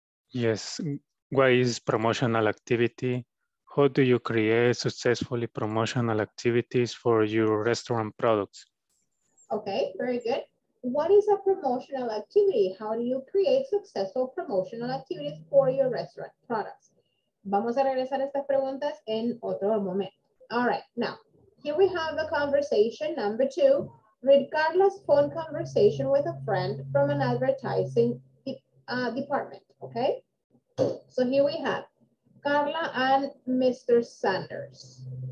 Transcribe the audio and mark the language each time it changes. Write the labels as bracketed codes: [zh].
[en] Yes, what is promotional activity? How do you create successfully promotional activities for your restaurant products? Okay, very good. What is a promotional activity? How do you create successful promotional activities for your restaurant products? [es] Vamos a regresar a estas preguntas en otro momento. [en] All right, now, here we have the conversation number two. Read Carla's phone conversation with a friend from an advertising department, okay? So here we have Carla and Mr. Sanders.